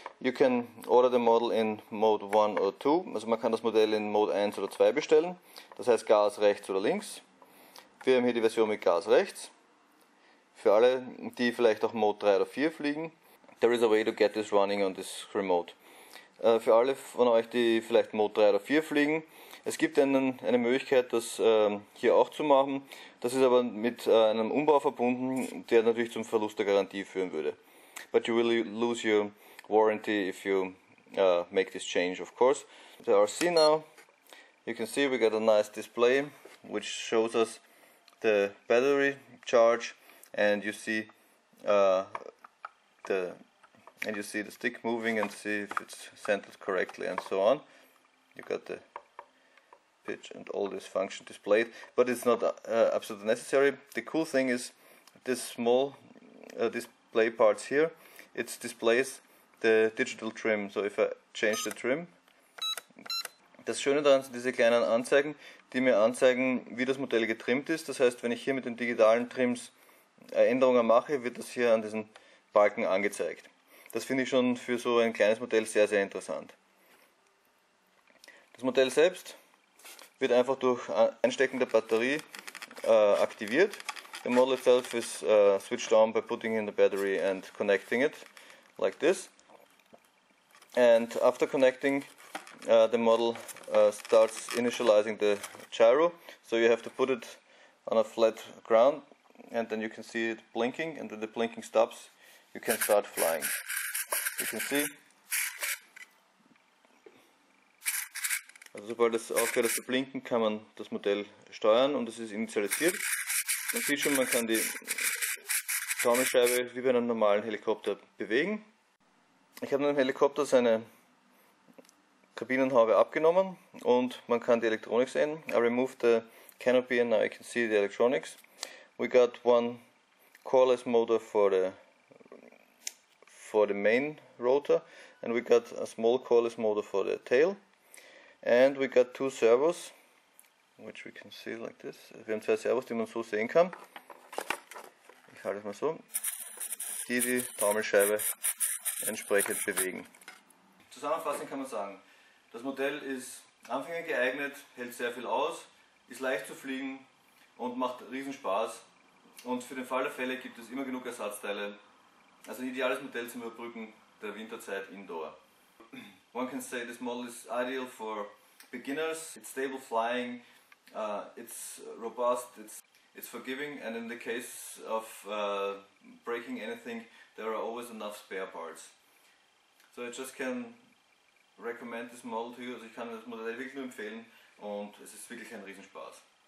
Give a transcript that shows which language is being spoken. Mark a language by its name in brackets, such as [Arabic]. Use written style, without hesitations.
[English] You can order the model in mode 1 or 2. [German] Also man kann das Modell in mode 1 oder 2 bestellen. Das heißt Gas rechts oder links. Wir haben hier die Version mit Gas rechts. Für alle, die vielleicht auch mode 3 oder 4 fliegen. [English] There is a way to get this running on this remote. [German] Für alle von euch, die vielleicht mode 3 oder 4 fliegen. Es gibt eine Möglichkeit, das hier auch zu machen. Das ist aber mit einem Umbau verbunden, der natürlich zum Verlust der Garantie führen würde. [English] But you will lose your warranty if you make this change, of course. The RC now. You can see we got a nice display, which shows us the battery charge, and you see the stick moving and see if it's centered correctly and so on. You got the pitch and all this function displayed, but it's not absolutely necessary. The cool thing is this small display parts here, it displays the digital trim. So if I change the trim, [German] das Schöne daran sind diese kleinen Anzeigen, die mir anzeigen, wie das Modell getrimmt ist. Das heißt, wenn ich hier mit den digitalen Trims Änderungen mache, wird das hier an diesen Balken angezeigt. Das finde ich schon für so ein kleines Modell sehr, sehr interessant. Das Modell selbst wird einfach durch Einstecken der Batterie aktiviert. [English] The model itself is switched on by putting in the battery and connecting it, like this. And after connecting, the model starts initializing the gyro. So you have to put it on a flat ground and then you can see it blinking, and when the blinking stops, you can start flying. You can see. [German] Also sobald es aufhört zu blinken, kann man das Modell steuern und es ist initialisiert. Man sieht schon, man kann die Taumelscheibe wie bei einem normalen Helikopter bewegen. Ich habe dem Helikopter seine Kabinenhaube abgenommen und man kann die Elektronik sehen. [English] I removed the canopy and now you can see the electronics. We got one coreless motor for the main rotor and we got a small coreless motor for the tail. And we got two servos, which we can see like this. [German] Wir haben zwei Servos, die man so sehen kann. Ich halte es mal so. Die Taumelscheibe entsprechend bewegen. Zusammenfassend kann man sagen, das Modell ist Anfänger geeignet, hält sehr viel aus, ist leicht zu fliegen und macht riesen Spaß. Und für den Fall der Fälle gibt es immer genug Ersatzteile. Also ein ideales Modell zum Überbrücken der Winterzeit indoor. [English] One can say this model is ideal for beginners. It's stable flying, it's robust, it's forgiving, and in the case of breaking anything, there are always enough spare parts. So I just can recommend this model to you. [German] Also ich kann das Modell wirklich nur empfehlen und es ist wirklich ein Riesenspaß.